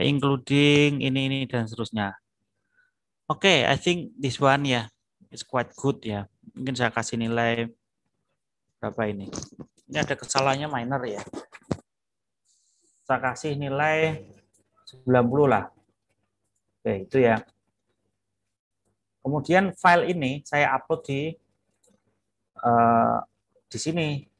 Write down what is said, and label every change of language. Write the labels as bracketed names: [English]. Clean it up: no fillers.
[Indonesian] Including ini dan seterusnya. [English] Oke, I think this one ya, it's quite good ya. [Indonesian] Mungkin saya kasih nilai berapa ini. Ini ada kesalahannya minor ya. Saya kasih nilai 90 lah. Oke, itu ya. Kemudian file ini saya upload di sini.